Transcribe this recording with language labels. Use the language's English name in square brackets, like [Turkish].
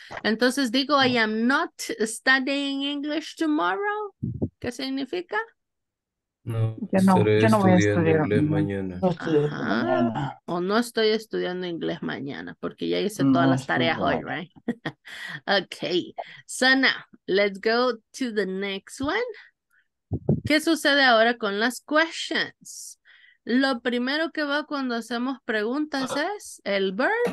[Spanish] Entonces digo, [English] I am not studying English tomorrow. [Spanish] ¿Qué significa? No, yo no voy a estudiar inglés mañana. O no estoy estudiando inglés mañana, porque ya hice todas las tareas hoy, right? [English] Okay, so now, let's go to the next one. [Spanish] ¿Qué sucede ahora con las questions? Lo primero que va cuando hacemos preguntas es el verb.